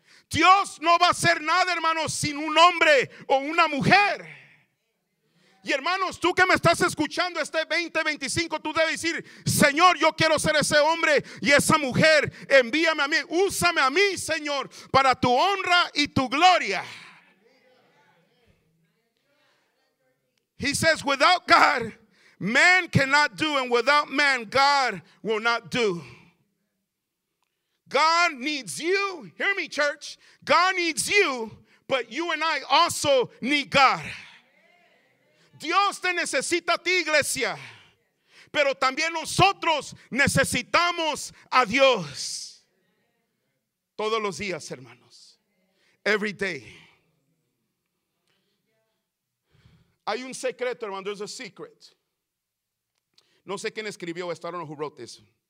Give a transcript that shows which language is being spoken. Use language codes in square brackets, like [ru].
[es] Dios no va a hacer nada, hermanos, sin un hombre o una mujer. Y hermanos, tú que me estás escuchando este 2025, tú debes decir, Señor, yo quiero ser ese hombre y esa mujer, envíame a mí, úsame a mí, Señor, para tu honra y tu gloria. [en] He says, without God, man cannot do, and without man, God will not do. God needs you, hear me, church, God needs you, but you and I also need God. [es] Dios te necesita a ti, iglesia, pero también nosotros necesitamos a Dios todos los días, hermanos. [en] Every day. [es] Hay un secreto, hermano. [en] There's a secret. [es] No sé quién escribió esto. [en] I don't know who wrote this.